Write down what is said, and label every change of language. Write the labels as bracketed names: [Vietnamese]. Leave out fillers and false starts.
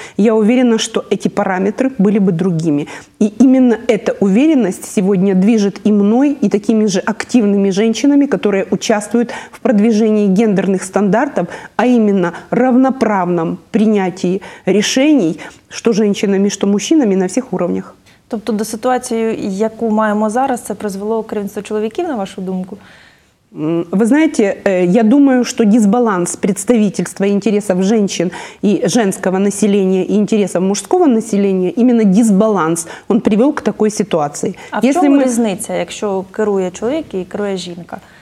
[Russian] Я уверена, что эти параметры были бы другими. И именно эта уверенность сегодня движет и мной, и такими же активными женщинами, которые участвуют в продвижении гендерных стандартов, а именно равноправном принятии решений, что женщинами, что мужчинами на всех уровнях. [Ukrainian] Тобто до ситуації, яку маємо зараз, це призвело керівництво чоловіків, на вашу думку? [Russian] Вы знаете, я думаю, что дисбаланс представительства интересов женщин и женского населения и интересов мужского населения, именно дисбаланс, он привел к такой ситуации. А если в чем разница, если керует человек и керует женщина?